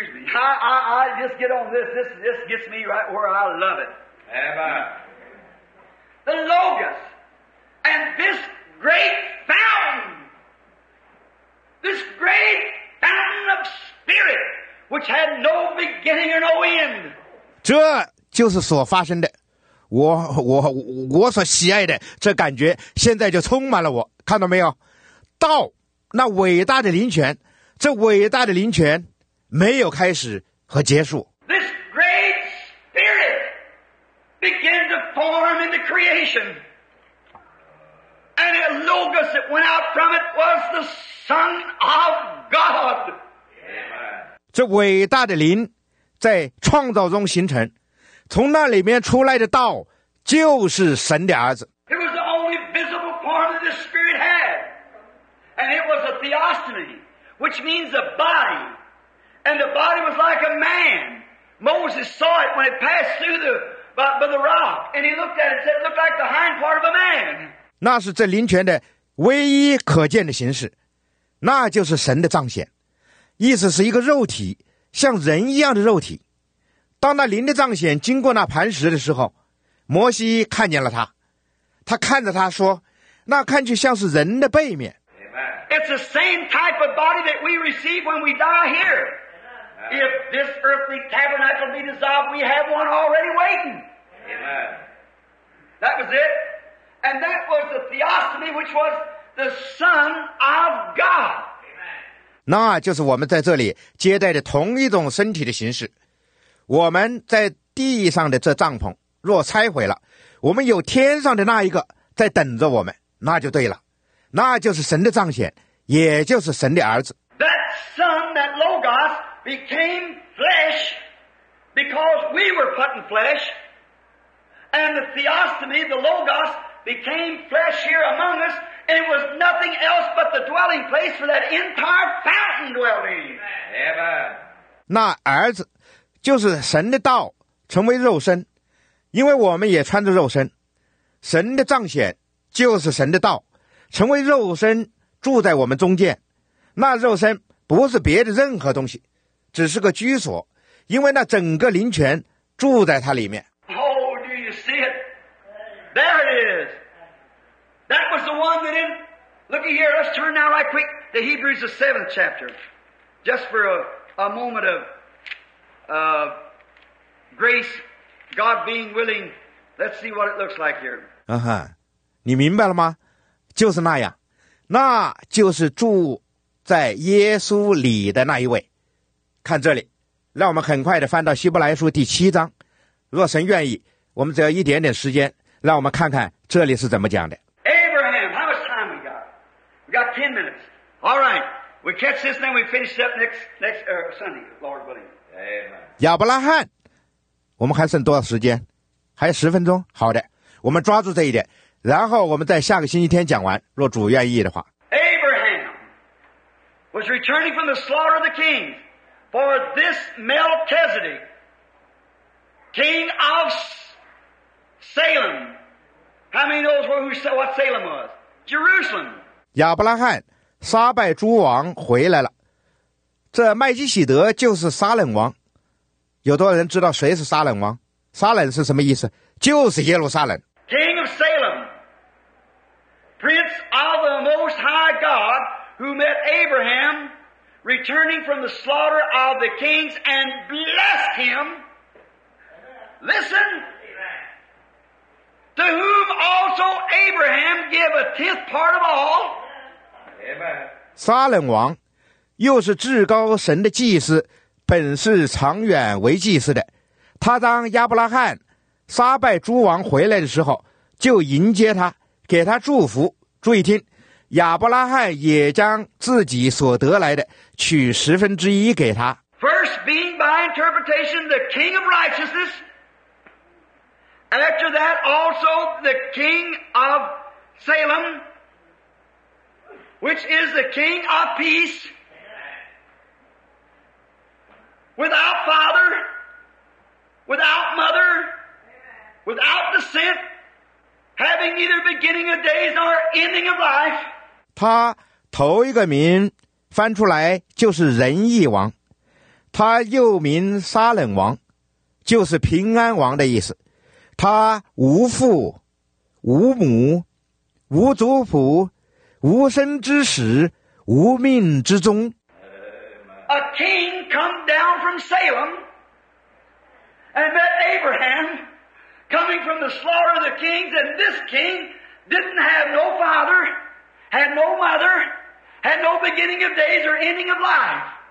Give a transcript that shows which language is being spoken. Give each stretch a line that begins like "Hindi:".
English: I just get on this. This gets me right where I love it. Amen. The Logos and this great fountain. This great fountain of spirit, which had no beginning or no end.
Chinese: 这就是所发生的。我所喜爱的这感觉现在就充满了我。看到没有？道，那伟大的灵泉，这伟大的灵泉没有开始和结束。
English: This great spirit began to form in the creation. And a logos that went out from it was the Son of God.
Chinese: 这伟大的灵在创造中形成，从那里面出来的道就是神的儿子。
English: It was the only visible part that the Spirit had. And it was a theosophy, which means a body. And the body was like a man. Moses saw it when it passed through by the rock. And he looked at it and said, it looked like the hind part of a man.
Chinese: 那是这灵泉的唯一可见的形式，那就是神的彰显，意思是一个肉体，像人一样的肉体。当那灵的彰显经过那磐石的时候，摩西看见了他，他看着他说，那看去像是人的背面。
English: It's the same type of body that we receive when we die here. If this earthly tabernacle be dissolved, we have one already waiting. That was itAnd that was the theosophy, which was the Son of God.
Chinese: 那就是我们在这里接待的同一种身体的形式。我们在地上的这帐篷若拆毁了，我们有天上的那一个在等着我们，那就对了。那就是神的彰显，也就是神的儿子。
English: That Son, that Logos, became flesh because we were put in flesh, and the theosophy, the Logos. Became flesh here among us, and it was nothing else but the dwelling place for that entire fountain dwelling. Amen.
Chinese: 那儿子就是神的道成为肉身，因为我们也穿着肉身，神的彰显就是神的道成为肉身住在我们中间，那肉身不是别的任何东西，只是个居所，因为那整个灵泉住在它里面。
English: Oh, do you see it? There it is. That was the one that in. Look here. Let's turn now, right quick, to Hebrews the seventh chapter, just for a moment of grace, God being willing. Let's see what it looks like here.
Chinese: 你明白了吗？就是那样，那就是住在耶稣里的那一位。看这里，让我们很快的翻到希伯来书第七章。若神愿意，我们只要一点点时间，让我们看看这里是怎么讲的。
English: Abraham, how much time we got? We got 10 minutes. All right, we catch this, then we finish up next Sunday, Lord willing. Amen.
Chinese: 亚伯拉罕，我们还剩多少时间？还有十分钟。好的，我们抓住这一点，然后我们在下个星期天讲完，若主愿意的话。
English: Abraham was returning from the slaughter of the kings, for this Melchizedek, king of Salem. How many knows what Salem was? Jerusalem.
Chinese: 亚伯拉罕，撒拜诸王回来了。这麦基洗德就是撒冷王。有多少人知道谁是撒冷王？撒冷是什么意思？就是耶路撒冷。
English: King of Salem, prince of the most high God, who met Abraham returning from the slaughter of the kings and blessed him. Listen. To whom also Abraham gave a tenth part of all. Amen.
Chinese: 撒冷王又是至高神的祭司，本是长远为祭司的。他当亚伯拉罕撒拜诸王回来的时候，就迎接他，给他祝福。注意听，亚伯拉罕也将自己所得来的取十分之一给他。
English: First being by interpretation the king of righteousness, after that also the king of Salem, which is the king of peace, without father, without mother, without descent, having neither beginning of days nor ending of life.
Chinese: 他头一个名翻出来就是仁义王，他又名撒冷王，就是平安王的意思。他无父无母，无族谱，无生之始，无命之终。
English: A king come down from Salem and met Abraham coming from the slaughter of the kings, and this king didn't have no father, had no mother, had no beginning of days or ending of life.